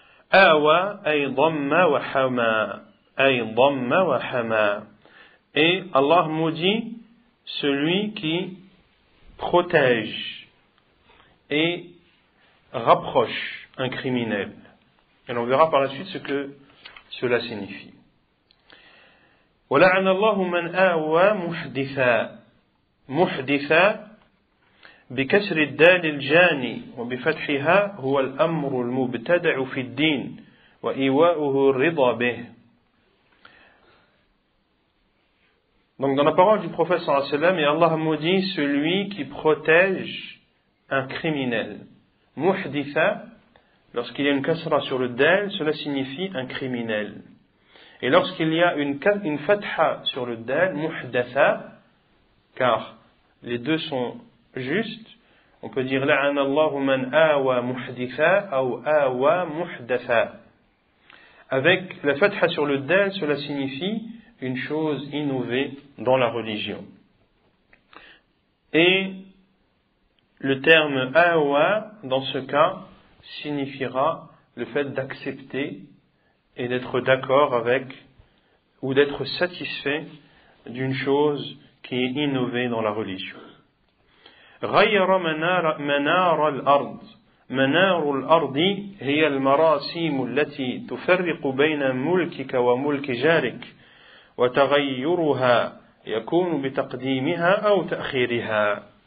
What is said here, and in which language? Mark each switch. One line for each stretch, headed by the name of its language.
Arabic: Awa, ay dhamma wa hama, ay dhamma wa hama.
French: Et Allah maudit celui qui protège et rapproche un criminel. Et on verra par la suite ce que cela signifie.
Arabic: ولعن الله من آوى محدثا محدثا بكسر الدال الجاني وبفتحها هو الأمر المبتدع في الدين وإيواؤه الرضا به.
French: Donc dans la parole du prophète
Arabic: صلى الله عليه وسلم,
French: et Allah maudit celui qui protège un criminel. محدثا, lorsqu'il y a une kasra sur le dal, cela signifie un criminel. Et lorsqu'il y a une fatha sur le dal, muhdatha, car les deux sont justes, on peut dire
Arabic: la'ana Allahu man awa muhdatha
French: ou awa muhdatha. Avec la fatha sur le dal, cela signifie une chose innovée dans la religion. Et le terme awa, dans ce cas, signifiera le fait d'accepter et d'être d'accord avec, ou d'être satisfait d'une chose qui est innovée dans la religion.
Arabic: غير منار الأرض منار الأرض هي المراسيم التي تفرق بين ملكك وملك جارك وتغيرها يكون بتقديمها أو تأخيرها.